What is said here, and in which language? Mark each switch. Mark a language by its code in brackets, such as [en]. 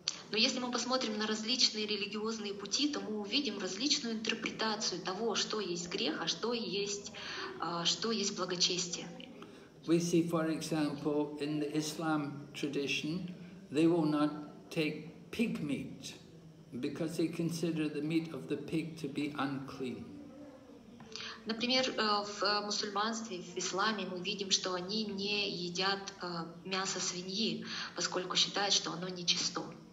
[ru] Но если мы посмотрим на различные религиозные пути, то мы увидим различную интерпретацию того, что есть грех, а что есть благочестие. [en] We see, for example, in the Islam tradition, they will not take pig meat because they consider the meat of the pig to be unclean. [ru] Например, в мусульманстве, в исламе мы видим, что они не едят мясо свиньи, поскольку считают, что оно нечисто.